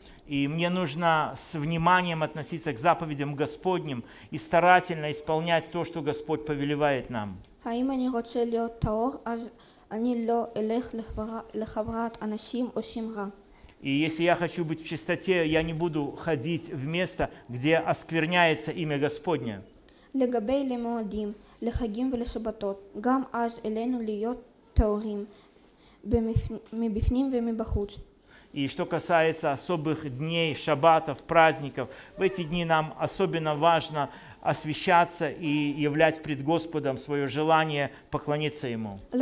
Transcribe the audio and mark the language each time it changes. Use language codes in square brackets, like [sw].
[ru] И мне нужно с вниманием относиться к заповедям Господним и старательно исполнять то, что Господь повелевает нам. [he] האם אני רוצה להיות טהור, אז אני לא אלך לחברת אנשים עושים רע. [ru] И если я хочу быть в чистоте, я не буду ходить в место, где оскверняется имя Господне. [he] לגבי למועדים, לחגים ולשבתות, גם אז אלינו להיות טהורים, מבפנים ומבחוץ. [ru] И что касается особых дней, шабатов, праздников, в эти дни нам особенно важно освящаться и являть пред Господом свое желание поклониться Ему.